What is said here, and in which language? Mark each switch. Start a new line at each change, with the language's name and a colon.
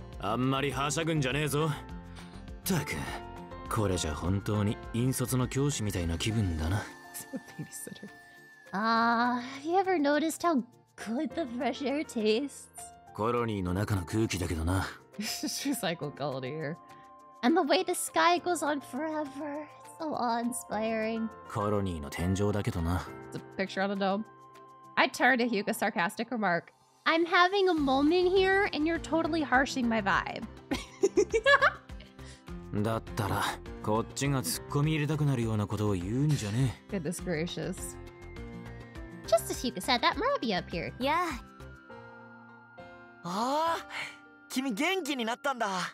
Japanese: あんまりはしゃぐんじゃねえぞ。たく、これじゃ本当に引率の教師みたいな気分だな。
English: Babysitter. Have you ever noticed how good the fresh air tastes?
Japanese: コロニーの中の空気だけどな。
English: Recycled quality air. And the way the sky goes on forever, it's so awe-inspiring.
Japanese: コロニーの天井だけどな。
English: It's a picture on a dome. I turned to Hyuga's sarcastic remark. I'm having a moment here, and you're totally harshing my vibe.
Japanese: だったら、こっちが突っ込み入れたくなるようなことを言うんじゃね。
English: Goodness gracious. Just as Hyuga said, that Murabia appeared. Yeah.
Japanese: ああ、君元気になったんだ。